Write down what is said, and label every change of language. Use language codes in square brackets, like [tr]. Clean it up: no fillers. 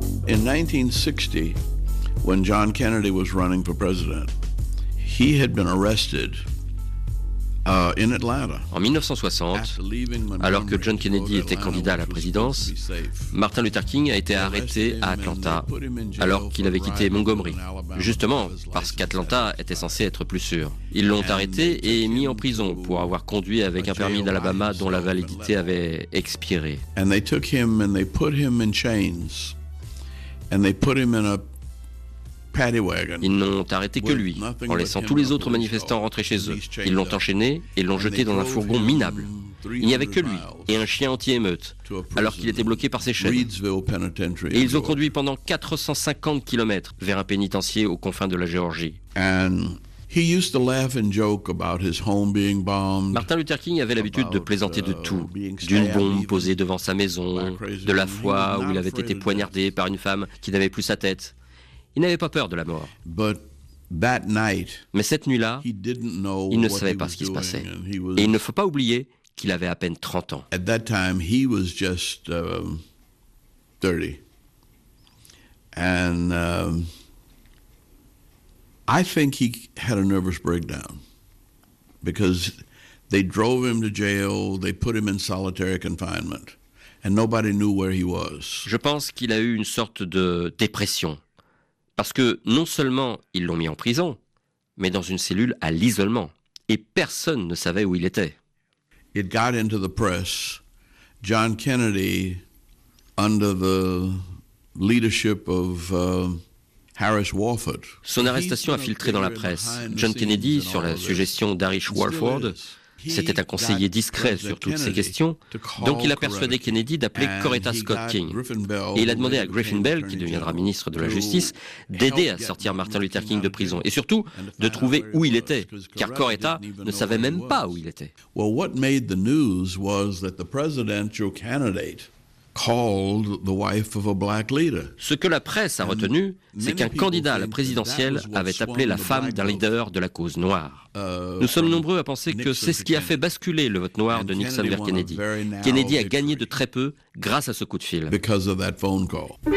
[en] In 1960, when John Kennedy was running for president, he had been arrested in Atlanta. [fr] En 1960, alors que John Kennedy était candidat à la présidence, Martin Luther King a été arrêté à Atlanta, alors qu'il avait quitté Montgomery, justement parce qu'Atlanta était censé être plus sûr. Ils l'ont arrêté et mis en prison pour avoir conduit avec un permis d'Alabama dont la validité avait expiré. [en] And they took him and they put him in chains. And they put him in a [fr] Ils n'ont arrêté que lui, en laissant tous les autres manifestants rentrer chez eux. Ils l'ont enchaîné et l'ont jeté dans un fourgon minable. Il n'y avait que lui et un chien anti-émeute, alors qu'il était bloqué par ses chaînes. Et ils ont conduit pendant 450 km vers un pénitencier aux confins de la Géorgie. Martin Luther King avait l'habitude de plaisanter de tout, d'une bombe posée devant sa maison, de la fois où il avait été poignardé par une femme qui n'avait plus sa tête. Il n'avait pas peur de la mort. Mais cette nuit-là, il ne savait pas ce qui se passait. Et il ne faut pas oublier qu'il avait à peine 30 ans. [en] At that time, he was just 30. And I think he had a nervous breakdown because they drove him to jail, they put him in solitary confinement, and nobody knew where he was. [fr] Je pense qu'il a eu une sorte de dépression parce que non seulement ils l'ont mis en prison, mais dans une cellule à l'isolement, et personne ne savait où il était. [en] It got into the press. John Kennedy, under the leadership of Harris Walford. [fr] Son arrestation a filtré dans la presse. John Kennedy, sur la suggestion d'Harish Walford, c'était un conseiller discret sur toutes ces questions, donc il a persuadé Kennedy d'appeler Coretta Scott King. Et il a demandé à Griffin Bell, qui deviendra ministre de la Justice, d'aider à sortir Martin Luther King de prison, et surtout de trouver où il était, car Coretta ne savait même pas où il était. [en] Well, what made the news was that the presidential candidate called the wife of a black leader. [fr] Ce que la presse a retenu, c'est qu'un candidat à la présidentielle avait appelé la femme d'un leader de la cause noire. Nous sommes nombreux à penser que c'est ce qui a fait basculer le vote noir de Nixon vers Kennedy. Kennedy a gagné de très peu grâce à ce coup de fil. [en] Because of that phone call.